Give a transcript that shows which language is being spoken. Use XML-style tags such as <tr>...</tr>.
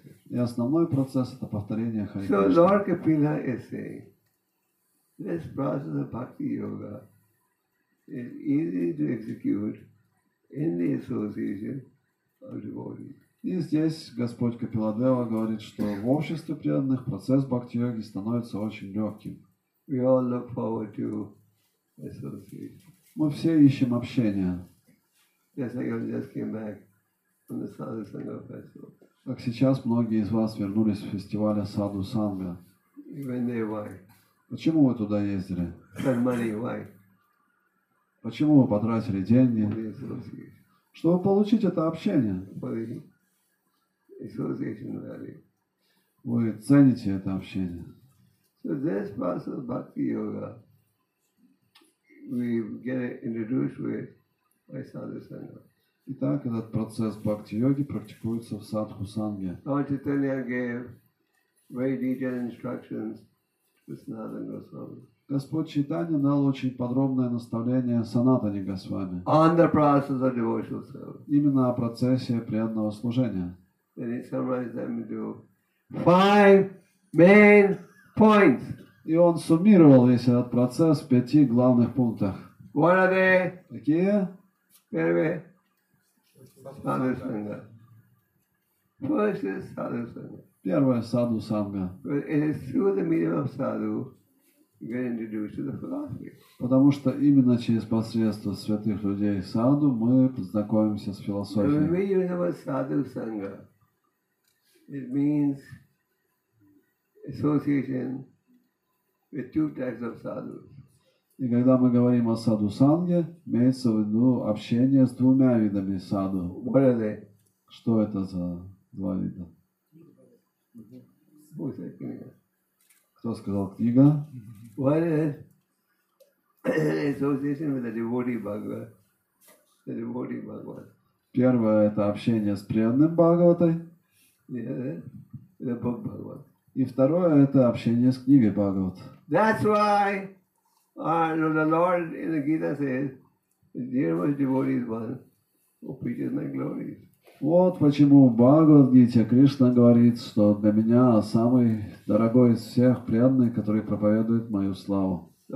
<ru>И основной процесс — это повторение Хари Кришны.</ru> <en>So Lord Kapila is saying, this process of Bhakti Yoga is easy to execute in the association of devotees.</en> <ru>И здесь Господь Капиладева говорит, что в обществе преданных процесс Бхакти-йоги становится очень легким.</ru> <en>We all look forward to association.</en> <ru>Мы все ищем общение.</ru> <en>Yes, I just came back from the Sadhu Sangha festival.</en> <ru>Как сейчас многие из вас вернулись с фестиваля Sadhu Sangha.</ru> <en>When they why?</en> <ru>Почему вы туда ездили?</ru> <en>For money, why?</en> <ru>Почему вы потратили деньги? Чтобы получить это общение.</ru> <en>For the association value.</en> <ru>Вы цените это общение.</ru> <en>So this process of Bhakti Yoga, we get introduced with by Sadhu Sangha.</en> <ru>Итак, этот процесс Бхакти Йоги практикуется в Садху Санге.</ru> <en>Lord Chaitanya gave very detailed instructions to Sanatana Goswami.</en> <ru>Господь Чайтанья дал очень подробное наставление Санатане Госвами.</ru> <en>On the process of devotional service.</en> <ru>Именно о процессе преданного служения.</ru> <en>And he summarized them into 5 main points.</en> <ru>И он суммировал весь этот процесс в 5 главных пунктах.</ru> <en>What are they?</en> <ru>Какие? Первый.</ru> <en>Sadhu Sangha. First is Sadhu Sangha.</en> <ru>Первое Sadhu Sangha.</ru> <en>It is through the medium of Sadhu you get introduced to the philosophy.</en> <ru>Потому что именно через посредство святых людей Sadhu мы познакомимся с философией.</ru> <en>The meaning of Sadhu Sangha, it means association with 2 types of sadhus.</en> <ru>И когда мы говорим о саду санге, имеется в виду общение с 2 видами саду.</ru> <en>What are they?</en> <ru>Что это за 2 вида? Кто сказал книга?</ru> <en>What is association with the devotee Bhagavat? The devotee Bhagavat.</en> <ru>Первое это общение с преданным Бхагаватой.</ru> <en>The book Bhagavat.</en> <ru>И второе – это общение с книгой Бхагават.</ru> <en>That's why the Lord in the Gita says, "Dear most devotees, one who preaches my glories."</en> <ru>Вот почему в Бхагавад-гите Кришна говорит, что для меня самый дорогой из всех преданных, который проповедует мою славу.</ru>